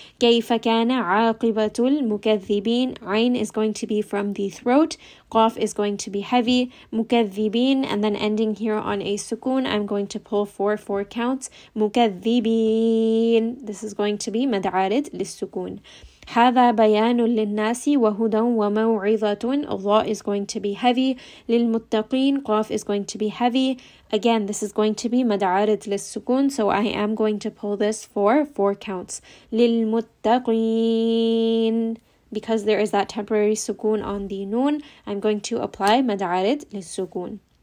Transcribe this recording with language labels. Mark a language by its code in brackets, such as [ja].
[ar] Kayfa kana aqibatul mukathibin, [en] ayn is going to be from the throat. Qaf is going to be heavy. Mukathibin, and then ending here on a sukun, I'm going to pull four counts. Mukathibin, this is going to be مدعارد للسكون. [ar] هذا بيان للناس وهدى وموعظة. [en] الله is going to be heavy. [ar] للمتقين. [en] قاف is going to be heavy. Again, this is going to be مدعارد للسكون. So I am going to pull this for four counts. [ar] للمتقين. [en] Because there is that temporary سكون on the noon, I'm going to apply مدعارد للسكون.